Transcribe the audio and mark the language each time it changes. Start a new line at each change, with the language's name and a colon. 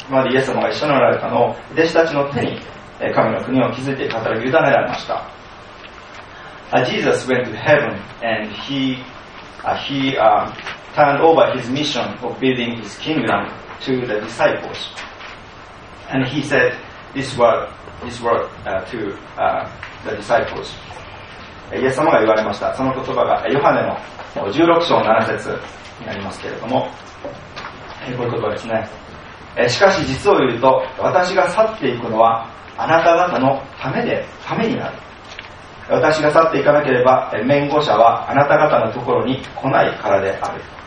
Japanese: 今までイエス様が一緒におられたのを弟子たちの手に神の国を築いていく働きを委ねられました。
English: Jesus went to heaven and he turned over his mission of building his kingdom to the disciples. And he said this word to the disciples.
Japanese: イエス様が言われました。その言葉がヨハネの16章7節になりますけれども、こういう言葉ですね。しかし実を言うと、私が去っていくのはあなた方のためで、ためになる。私が去っていかなければ面後者はあなた方のところに来ないからである。